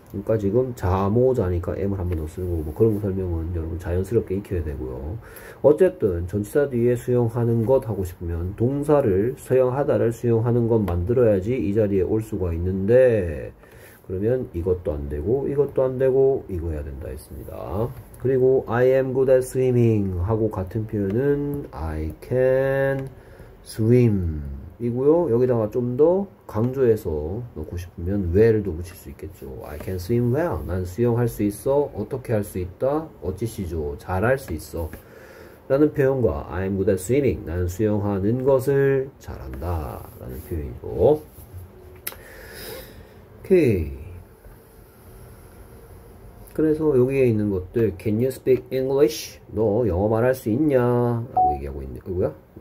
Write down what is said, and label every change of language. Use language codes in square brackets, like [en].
[ko] 그러니까 지금 자모자니까 M을 한번더 쓰는 거고 뭐 그런 거 설명은 여러분 자연스럽게 익혀야 되고요. 어쨌든 전치사 뒤에 수용하는 것 하고 싶으면 동사를 수용하다를 수용하는 것 만들어야지 이 자리에 올 수가 있는데 그러면 이것도 안 되고 이것도 안 되고 이거 해야 된다 했습니다. [en] 그리고 I am good at swimming [ko] 하고 같은 표현은 [en] I can swim 이고요. [ko] 여기다가 좀더 강조해서 넣고 싶으면 well도 붙일 수 있겠죠. [en] I can swim well. [ko] 난 수영할 수 있어. 어떻게 할수 있다? 어찌시죠? 잘할 수 있어. 라는 표현과 [en] I am good at swimming. [ko] 난 수영하는 것을 잘한다. 라는 표현이고. 오케이. 그래서 여기에 있는 것들. [en] Can you speak English? [ko] 너 영어 말할 수 있냐? 라고 얘기하고 있는데. 뭐야?